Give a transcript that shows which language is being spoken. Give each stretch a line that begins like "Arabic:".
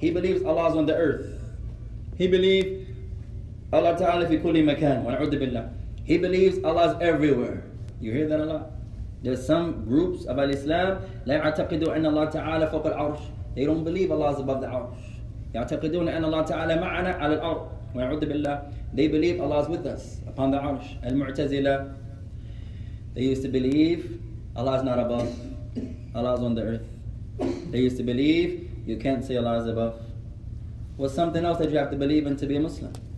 English: He believes Allah is on the earth. He believes
Arabic: Allah Ta'ala fi kulli makan, wa na'udhu billah.
English: He believes Allah is everywhere. You hear that a lot? There's some groups of Al-Islam,
Arabic: لا يعتقدوا أن الله تعالى فوق العرش.
English: They don't believe Allah is above the arsh.
Arabic: يعتقدون أن الله تعالى معنا على الأرض. وَيَعُدُّ بِاللَّهِ.
English: They believe Allah is with us upon the arsh. Al-Mu'tazila. They used to believe Allah is not above. Allah is on the earth. They used to believe you can't say Allah is above. What's something else that you have to believe in to be a Muslim?